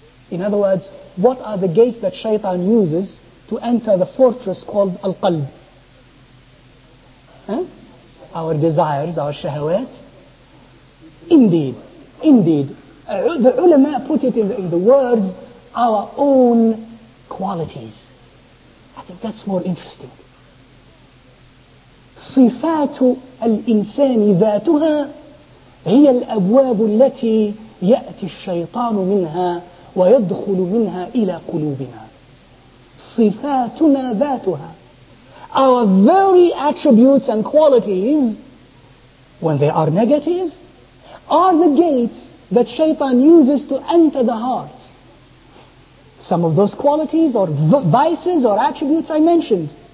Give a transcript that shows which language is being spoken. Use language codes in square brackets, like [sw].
[en] In other words, what are the gates that shaitan uses to enter the fortress called al-qalb? Huh? Our desires, our shahawat. Indeed. The ulama put it in the words, our own qualities. I think that's more interesting. [ar] صفات الإنسان ذاتها هي الأبواب التي يأتي الشيطان منها ويدخل منها إلى قلوبنا. صفاتنا ذاتها. [en] Our very attributes and qualities, when they are negative, are the gates that Shaitan uses to enter the hearts. Some of those qualities or vices or attributes I mentioned.